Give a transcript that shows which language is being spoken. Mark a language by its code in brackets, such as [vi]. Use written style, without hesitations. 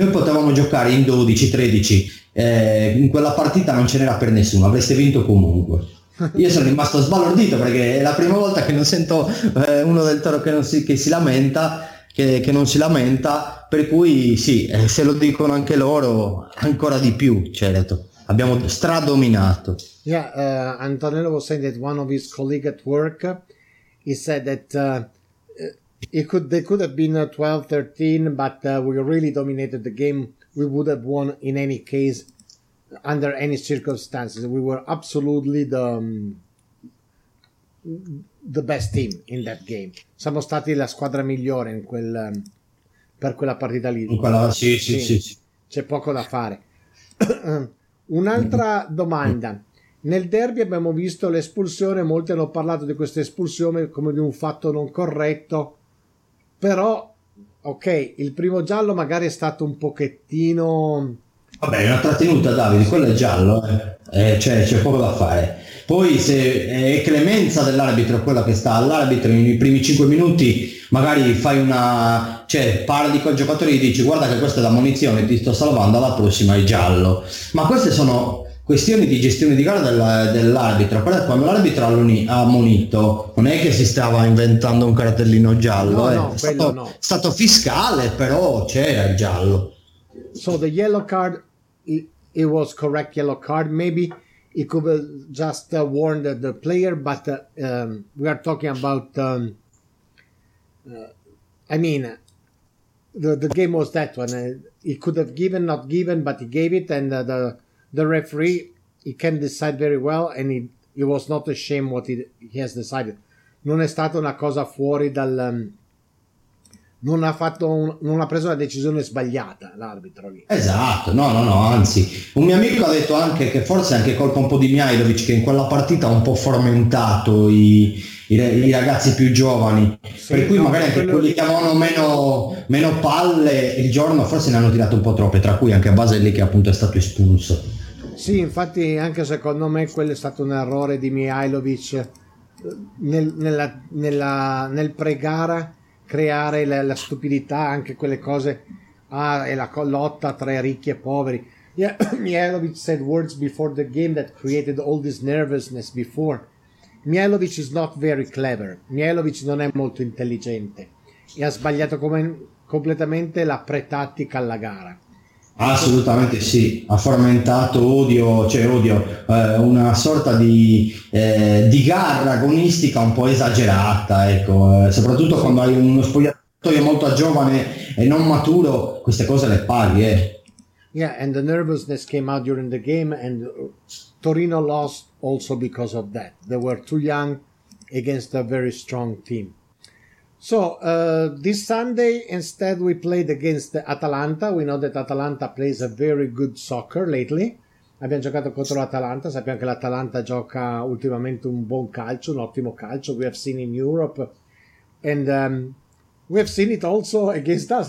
[it] Noi potevamo giocare in 12-13, in quella partita non ce n'era per nessuno, avreste vinto comunque. Io sono rimasto sbalordito perché è la prima volta che non sento uno del Toro che non si lamenta, per cui sì, se lo dicono anche loro, ancora di più, certo, abbiamo stradominato. [en] Yeah, Antonello was saying that one of his colleagues at work, he said that they could have been 12-13, but we really dominated the game, we would have won in any case, under any circumstances, we were absolutely the best team in that game. [it] Siamo stati la squadra migliore in per quella partita lì. Sì. C'è poco da fare. Un'altra domanda. Nel derby abbiamo visto l'espulsione, molti hanno parlato di questa espulsione come di un fatto non corretto, però, ok, il primo giallo magari è stato un pochettino... Vabbè, è una trattenuta, Davide, quello è giallo, c'è poco da fare. Poi se è clemenza dell'arbitro, quella che sta all'arbitro, nei primi 5 minuti magari fai una... cioè parli col giocatore e gli dici guarda che questa è la munizione, ti sto salvando, alla prossima è giallo. Ma queste sono questioni di gestione di gara dell'arbitro. Però quando l'arbitro ha ammonito, non è che si stava inventando un cartellino giallo. No, è stato fiscale, però c'era il giallo. [en] So the yellow card it was correct yellow card. Maybe he could have just warned the player, but we are talking about, I mean, the game was that one. He could have given, not given, but he gave it, and the referee, he can decide very well, and it was not a shame what he has decided. [it] Non è stata una cosa fuori dal... non ha preso la decisione sbagliata l'arbitro lì. Esatto, no, anzi. Un mio amico ha detto anche che forse anche colpa un po' di Mihajlovic, che in quella partita ha un po' frammentato i ragazzi più giovani. Sì, per cui no, magari anche quelli che avevano meno palle il giorno forse ne hanno tirato un po' troppe, tra cui anche Baselli che appunto è stato espulso. Sì, infatti anche secondo me quello è stato un errore di Mihajlovic nel pre-gara. Creare la stupidità, anche quelle cose, e la lotta tra i ricchi e poveri. [en] Yeah, Mihajlovic said words before the game that created all this nervousness before. Mihajlovic is not very clever. [it] Mihajlovic non è molto intelligente. E ha sbagliato completamente la pre-tattica alla gara. Assolutamente sì, ha fomentato una sorta di garra agonistica un po' esagerata, ecco, soprattutto quando hai uno spogliatoio molto giovane e non maturo, queste cose le paghi. [en] Yeah, and the nervousness came out during the game, and Torino lost also because of that. They were too young against a very strong team. So, this Sunday, instead, we played against Atalanta. We know that Atalanta plays a very good soccer lately. [it] Abbiamo giocato contro l'Atalanta. Sappiamo che l'Atalanta gioca ultimamente un buon calcio, un ottimo calcio. [en] We have seen in Europe. And we have seen it also against us.